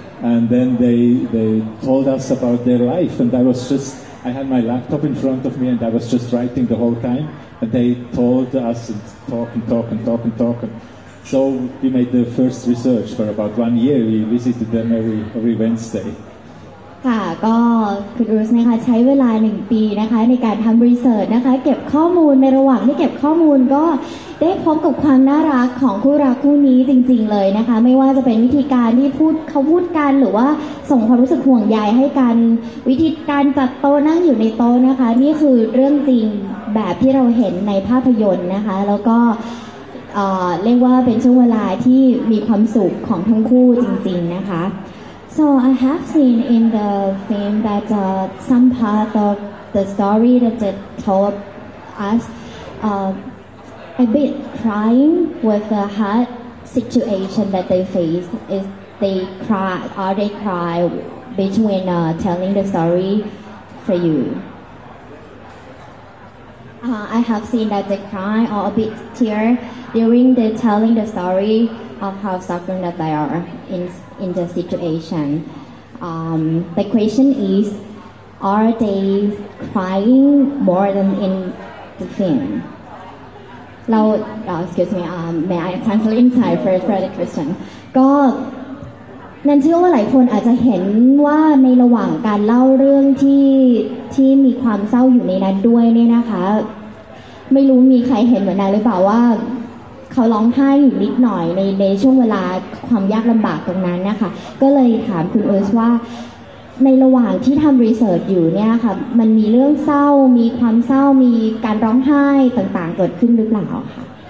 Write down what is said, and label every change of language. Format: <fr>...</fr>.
<en>And then they told us about their life, and I had my laptop in front of me, and I was just writing the whole time. And they told us and talk. And so we made the first research for about 1 year. We visited them every Wednesday.</en> <th>ค่ะก็คุณรูสนะคะใช้เวลา1ปีนะคะในการทำรีเสิร์ชนะคะเก็บข้อมูลในระหว่างที่เก็บข้อมูลก็ได้พบกับความน่ารักของคู่รักคู่นี้จริงๆเลยนะคะไม่ว่าจะเป็นวิธีการที่พูดเขาพูดกันหรือว่าส่งความรู้สึกห่วงใยให้กัน วิธีการจัดโต๊ะนั่งอยู่ในโต๊ะนะคะนี่คือเรื่องจริงแบบที่เราเห็นในภาพยนตร์นะคะแล้วก็เรียกว่าเป็นช่วงเวลาที่มีความสุขของทั้งคู่จริงๆนะคะ</th> <en>So I have seen in the film that some part of the story that they told us a bit crying with the hard situation that they face. Is they cry? Are they cry between telling the story for you? I have seen that they cry or a bit tear during the telling the story of how suffering that they are in the situation. The question is, are they crying more than in the film?</en> <th>เรา</th> <en>excuse me may I translate inside for the question</en> <th>ก็นั่นเชื่อว่าหลายคนอาจจะเห็นว่าในระหว่างการเล่าเรื่องที่มีความเศร้าอยู่ในนั้นด้วยเนี่ยนะคะ ไม่รู้มีใครเห็นเหมือนนายหรือเปล่าว่าเขาร้องไห้อยู่นิดหน่อยในช่วงเวลาความยากลำบากตรงนั้นนะคะก็เลยถามคุณเอิร์ธว่าในระหว่างที่ทำรีเสิร์ชอยู่เนี่ยค่ะมันมีเรื่องเศร้ามีความเศร้ามีการร้องไห้ต่างๆเกิดขึ้นหรือเปล่าค่ะ</th>